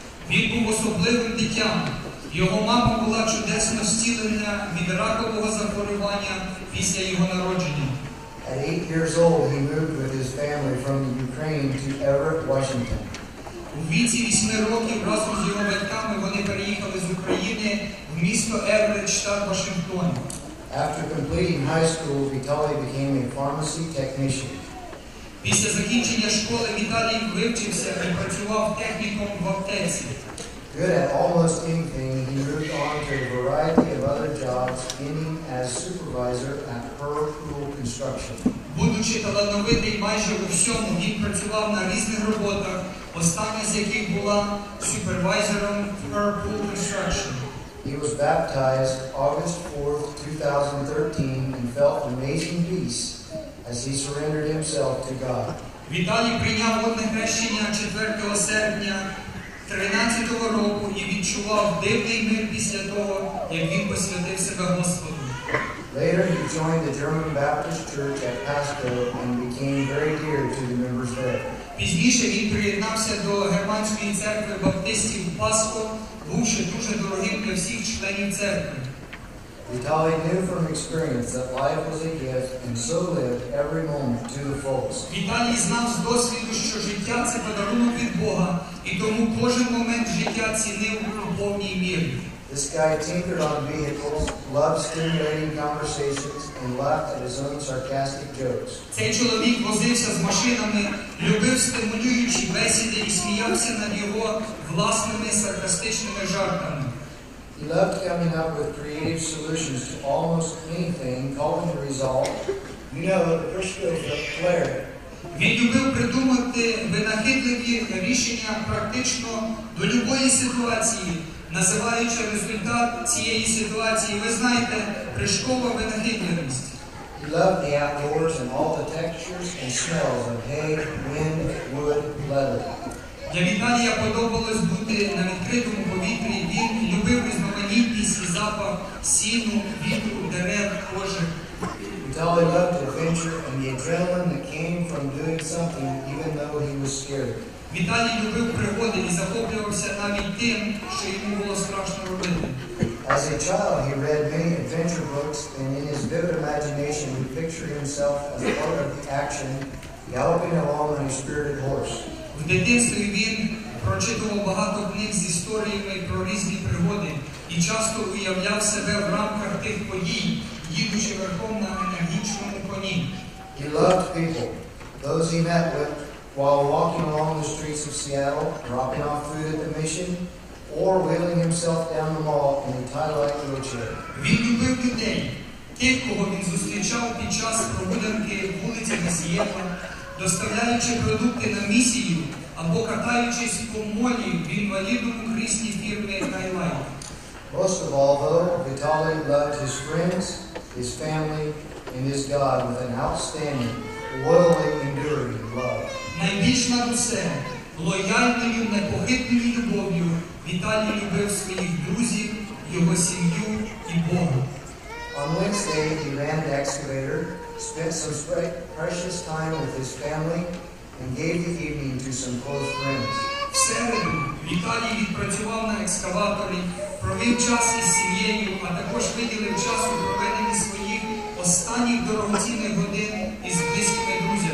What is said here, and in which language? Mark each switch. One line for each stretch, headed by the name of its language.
Ukrainian: Він був особливим дитям. Його мама була чудесно зцілена від ракового захворювання після його народження.
English: At 8 years old, he moved with his family from the Ukraine to Everett, Washington.
Ukrainian: У віці 8 років разом з його батьками вони переїхали з України в місто Everett, штат Вашингтон.
English: After completing high school, Vitaly became a pharmacy technician.
Ukrainian: Після закінчення школи Віталій вивчився і працював технікумом в аптеці.
English: Good at almost anything, he moved on to a variety of other jobs, ending as supervisor at Pearl Construction.
Ukrainian: Будучи талановитий майже у всьому, він працював на різних роботах, останній з яких була супервайзером Pearl Construction.
English: He was baptized August 4th, 2013 and felt amazing peace as he surrendered himself to God.
Ukrainian: Віталій прийняв водне хрещення 4 серпня 13-го року і відчував дивний мир після того, як він посвятив себе Господу.
English: Later he joined the German Baptist Church at Pasco and became very dear to the members there.
Ukrainian: Пізніше він приєднався до Германської церкви баптистів Пасхо, бувши дуже дорогим для всіх членів церкви.
English: Vitaly knew from experience that life was a gift and so lived every moment to the fullest.
Ukrainian: Vitaly знав з досвіду, що життя – це подарунок від Бога, і тому кожен момент життя цінив у повній мірі.
English: This guy tinkered on vehicles, loved stimulating conversations, and laughed at his own sarcastic jokes.
Ukrainian: Цей чоловік возився з машинами, любив стимулюючі бесіди і сміявся над його власними саркастичними жартами.
English: He loved coming up with creative solutions to almost anything, calling the result, you know, the crystals of clarity.
Ukrainian: Він любив придумати винахідливі рішення практично до любої ситуації, називаючи результат цієї ситуації, ви знаєте, прижкова винахідливість.
English: He loved the outdoors and all the textures and smells of hay, wind, wood, leather.
Ukrainian: Для Віталія подобалось бути на відкритому повітрі. Він любив різноманітність і запах сіну, вітру, дерев, кожи.
English: Віталій loved adventure and the adrenaline that came from doing something, even though he was scared.
Ukrainian: Віталій любив пригоди і захоплювався навіть тим, що йому було страшно робити.
English: As a child, he read many adventure books, and in his vivid imagination, he pictured himself as part of the action, galloping along on a spirited horse.
Ukrainian: В дитинстві він прочитував багато книг з історіями про різні пригоди і часто уявляв себе в рамках тих подій, їдучи верхом на енергічному коні.
English: He loved people, those he met with, while walking along the streets of Seattle, dropping off food at the mission, or wheeling himself down the mall in a tie-like wheelchair.
Ukrainian: Він любив людей, тих, кого він зустрічав під час прогулянки вулицями Сіетла, доставляючи продукти на місію або катаючись по молі в інвалідному кріслі фірми Highline.
English: Most of all, though, Vitaly loved his friends, his family, and his God with an outstanding, loyally enduring love.
Ukrainian: Найбільш над усе, лояльною, непохитною любов'ю, Vitaly любив своїх друзів, його сім'ю і Бога.
English: On Wednesday, he ran the excavator, spent some precious time with his family, and gave the evening to some close friends.
Ukrainian: В середу Віталій відпрацював на екскаваторі, провів час із сім'єю, а також виділив час у проведенні своїх останніх дорогоцінних годин із близькими друзями.